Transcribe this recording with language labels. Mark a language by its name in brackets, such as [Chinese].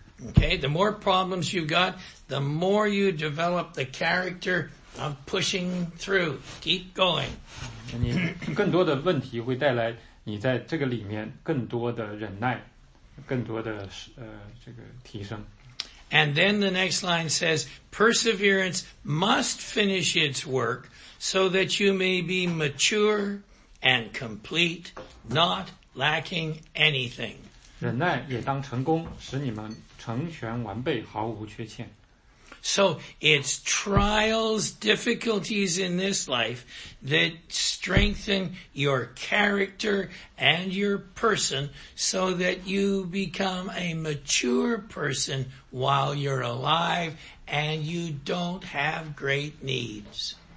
[English] Okay, the more problems you've got, the more you develop the character of pushing through. Keep going. [Chinese] 你更多的问题会带来你在这个里面更多的忍耐。 [English] And then the next line says, perseverance must finish its work so that you may be mature and complete, not lacking anything. [Chinese] 忍耐也当成功，使你们成全完备，毫无缺欠。 [English] So it's trials, difficulties in this life that strengthen your character and your person so that you become a mature person while you're alive and you don't have great needs.